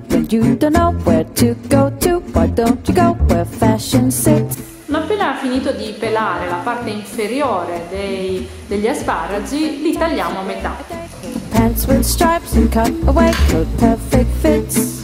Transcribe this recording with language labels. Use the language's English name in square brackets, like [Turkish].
[English] You don't know where to go to, why don't you go where fashion sits? [Italian] Appena finito di pelare la parte inferiore degli asparagi, li tagliamo a metà. [English] Pants with stripes and cut away coat, perfect fits.